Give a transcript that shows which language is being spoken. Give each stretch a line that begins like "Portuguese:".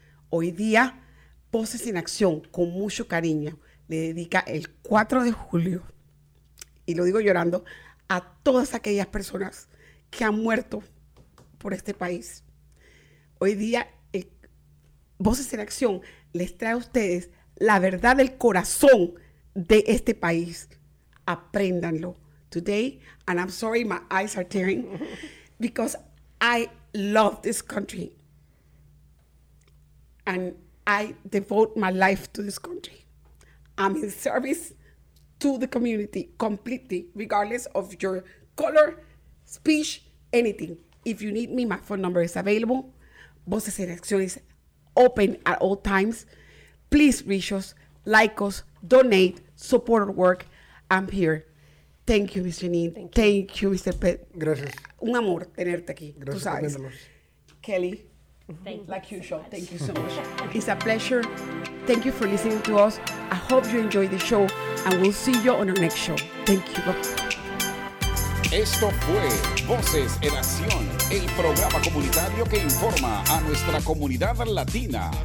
Spanish: Hoy día, Voces en Acción, con mucho cariño, le dedica el 4 de julio, y lo digo llorando, a todas aquellas personas que han muerto por este país. Hoy día, Voces en Acción les trae a ustedes la verdad del corazón de este país. Apréndanlo.
English: Today, and I'm sorry my eyes are tearing, because I love this country. And I devote my life to this country. I'm in service to the community completely, regardless of your color, speech, anything. If you need me, my phone number is available. Voces en Acción is open at all times. Please reach us, like us, donate, support our work. I'm here. Thank you, Ms. Janine. Thank you, Mr. Pitt.
Spanish: Gracias. Un amor tenerte aquí. Gracias. Tú sabes. Teniéndolos.
English: Kelly, thank like you usual, so thank you so much. It's a pleasure. Thank you for listening to us. I hope you enjoy the show and we'll see you on our next show. Thank you. Bye.
Spanish: Esto fue Voces en Acción, el programa comunitario que informa a nuestra comunidad latina.